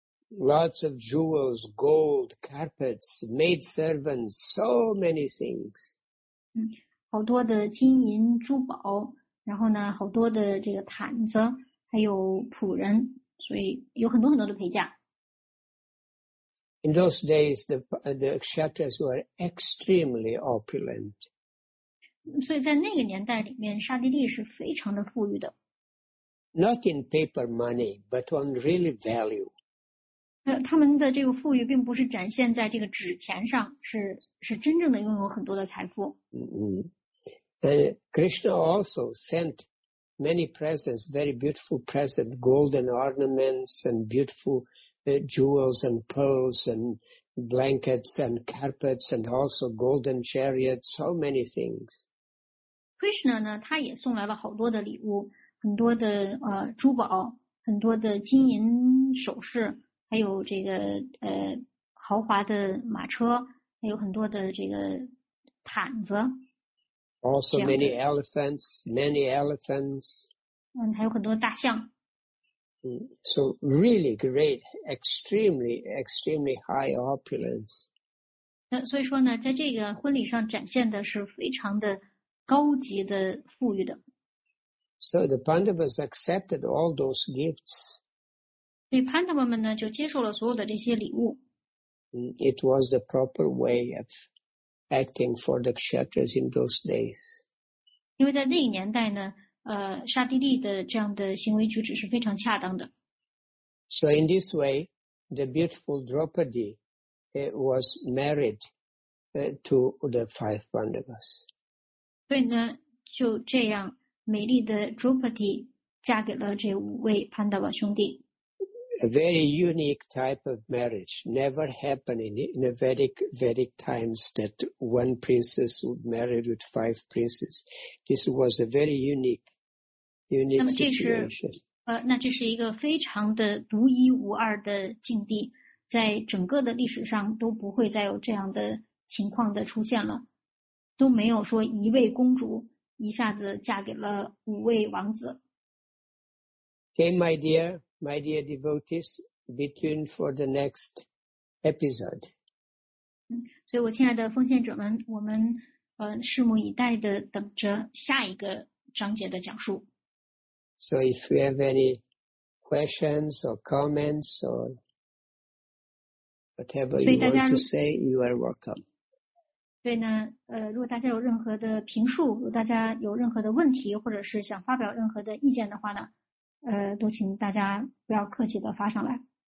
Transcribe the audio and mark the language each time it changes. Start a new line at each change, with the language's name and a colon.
English: Lots of jewels, gold, carpets, maid servants, so many things.
Chinese: 好多的金银珠宝，然后呢，好多的这个毯子，还有仆人，所以有很多很多的陪嫁。
English: In those days, the kshatriyas were extremely opulent.
Chinese: 所以在那个年代里面，刹帝利是非常的富裕的。
English: Not in paper money, but on real value.
Chinese: 他们的这个富裕并不是展现在这个纸钱上，是真正的拥有很多的财富。
English: Krishna also sent many presents, very beautiful presents, golden ornaments and beautiful jewels and pearls and blankets and carpets and also golden chariots, so many things.
Chinese: Krishna 呢，他也送来了好多的礼物，很多的珠宝，很多的金银首饰。还有这个豪华的马车，还有很多的这个毯子。
English: Also many elephants, many elephants.
Chinese: 还有很多大象。
English: So really great, extremely, extremely high opulence.
Chinese: 所以说呢，在这个婚礼上展现的是非常的高级的富裕的。
English: So the Pandavas accepted all those gifts.
Chinese: 所以潘德们呢就接受了所有的这些礼物。
English: It was the proper way of acting for the kshatriyas in those days.
Chinese: 因为在那个年代呢刹帝利的这样的行为举止是非常恰当的。
English: So in this way, the beautiful Draupadi was married to the five Pandavas.
Chinese: 所以呢就这样美丽的 Draupadi 嫁给了这五位潘德们兄弟。
English: A very unique type of marriage never happened in a Vedic times that one princess would marry with five princes. This was a very unique situation.
Chinese: 那这是一个非常的独一无二的境地，在整个的历史上都不会再有这样的情况的出现了，都没有说一位公主一下子嫁给了五位王子。
English: Okay, my dear devotees, be tuned for the next episode.
Chinese: 所以我亲爱的奉献者们，我们拭目以待的等着下一个章节的讲述。
English: So if you have any questions or comments or whatever you want to say, you are welcome.
Chinese: 所以呢，如果大家有任何的评述，如果大家有任何的问题，或者是想发表任何的意见的话呢，都请大家不要客气的发上来。